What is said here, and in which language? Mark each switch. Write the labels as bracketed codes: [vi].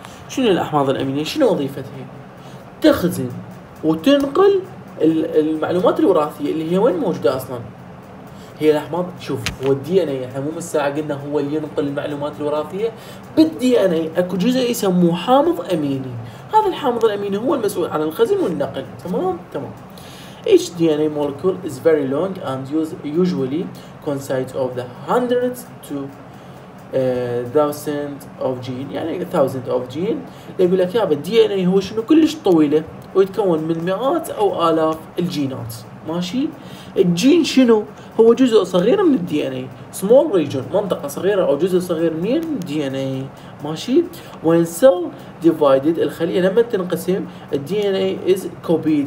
[ar] شنو الاحماض الامينيه؟ شنو وظيفتها؟ تخزن وتنقل المعلومات الوراثيه اللي هي وين موجوده اصلا؟ هي الاحماض. شوف هو الدي ان اي احنا مو من الساعه قلنا هو اللي ينقل المعلومات الوراثيه. بالدي ان اي اكو جزء يسموه حامض اميني، هذا الحامض الاميني هو المسؤول عن الخزن والنقل، تمام؟ تمام. [en] Each DNA molecule is very long and usually consists of the hundreds to thousands of genes، [ar] يعني [en] thousands of genes. [ar] يقول لك يابا الدي ان اي هو شنو؟ كلش طويله ويتكون من مئات او الاف الجينات، ماشي؟ الجين شنو؟ هو جزء صغير من الدي ان اي، [en] small region, [ar] منطقه صغيره او جزء صغير من الدي ان اي، ماشي؟ [en] وين سيل ديفايدد، [ar] الخليه لما تنقسم الدي ان اي [en] Is copied.